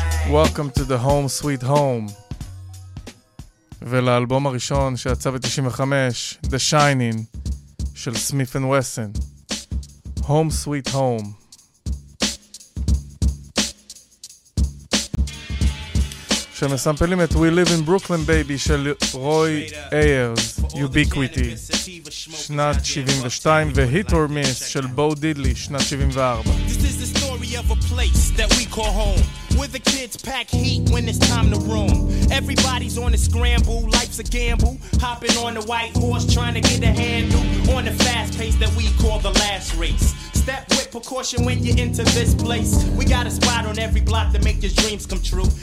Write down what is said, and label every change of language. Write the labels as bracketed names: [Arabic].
[English] Welcome to the home sweet home. [Hebrew] ולאלבום הראשון שיצא ב-95, The Shining, של Smith & Wesson. [English] Home Sweet Home. [Hebrew] שמסמפלים את We Live in Brooklyn Baby של רוי איירס, Ubiquity, שנת 72, ו-Hit or Miss של בו דידלי, שנת 74. [English] This is the story of a place that we call home, where the kids pack heat when it's time to roam. Everybody's on a scramble, life's a gamble, hopping on the white horse trying to get a handle on the fast pace that we call the last race. Step with precaution when you enter this place. We got a spot on every block to make your dreams come true.